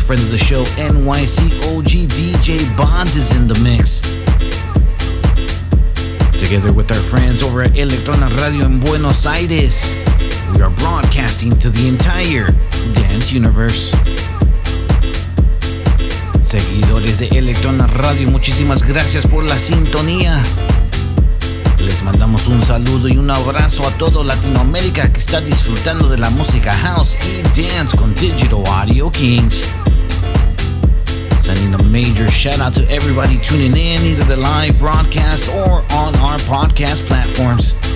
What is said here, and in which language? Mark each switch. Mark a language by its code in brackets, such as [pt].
[en] Friend of the show, NYC OG DJ Bonds is in the mix. Together with our friends over at Electrona Radio in Buenos Aires, we are broadcasting to the entire dance universe. [es] Seguidores de Electrona Radio, muchísimas gracias por la sintonía. Les mandamos un saludo y un abrazo a todo Latinoamérica que está disfrutando de la música house y dance con Digital Audio Kings. [en] Sending a major shout out to everybody tuning in either the live broadcast or on our podcast platforms.